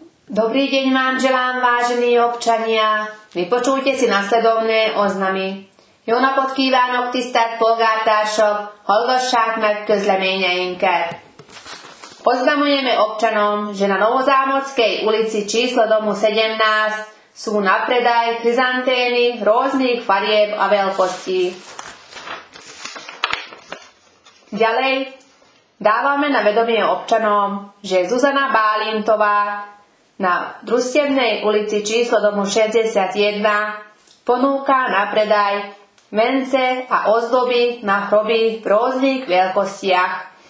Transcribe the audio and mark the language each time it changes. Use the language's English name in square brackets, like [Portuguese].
[Slovak] Dobrý deň vám želám, vážení občania. Vypočujte si nasledovné oznamy. [Hungarian] Jóna podkívánok tisztelt polgártársok, hallgassák meg közleményeinket. [Slovak] Oznamujeme občanom, že na Novozámockej ulici číslo domu 17 sú na predaj chryzantény rôznych farieb a veľkostí. Ďalej dávame na vedomie občanom, že Zuzana Bálintová na Družstevnej ulici číslo domu 61 ponúka na predaj vence a ozdoby na hroby v rôznych veľkostiach.